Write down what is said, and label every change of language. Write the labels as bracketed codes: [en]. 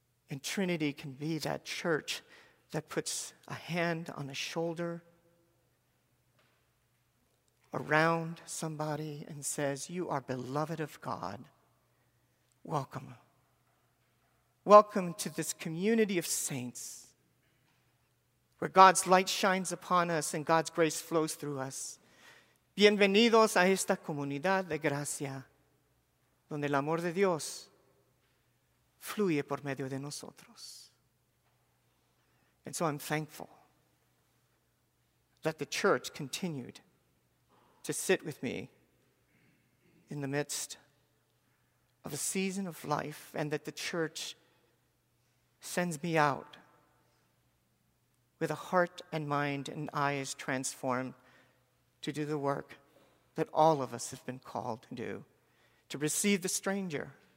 [en] And Trinity can be that church that puts a hand on a shoulder around somebody and says, "You are beloved of God. Welcome. Welcome to this community of saints where God's light shines upon us and God's grace flows through us. [es] Bienvenidos a esta comunidad de gracia donde el amor de Dios fluye por medio de nosotros." [en] And so I'm thankful that the church continued to sit with me in the midst of a season of life, and that the church sends me out with a heart and mind and eyes transformed to do the work that all of us have been called to do, to receive the stranger.